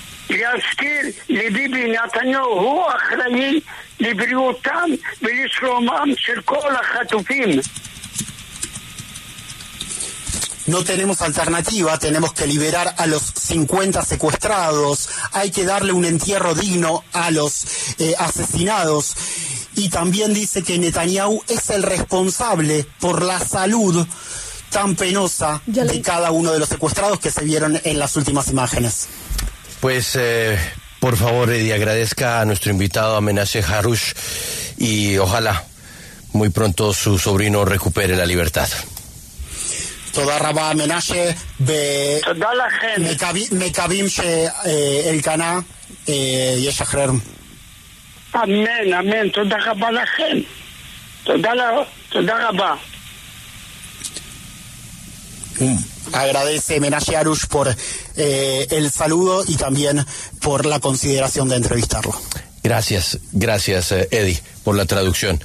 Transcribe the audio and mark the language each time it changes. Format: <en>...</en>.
<he>להזכיר לביבי נתניהו, הוא אחראי לבריאותם ולשלומם של כל החטופים.</he> <es>No tenemos alternativa, tenemos que liberar a los 50 secuestrados, hay que darle un entierro digno a los asesinados. Y también dice que Netanyahu es el responsable por la salud tan penosa de cada uno de los secuestrados que se vieron en las últimas imágenes. Pues, por favor, Eddie, agradezca a nuestro invitado, a Menashe Harush, y ojalá muy pronto su sobrino recupere la libertad.</es> <he>תודה רבה מנשה, תודה לכם, מקווים שאלקנה ישחרר. אמן, אמן, תודה רבה לכם, תודה רבה.</he> <es>Agradece Menashe Harush por el saludo y también por la consideración de entrevistarlo. Gracias, Eddie, por la traducción.</es>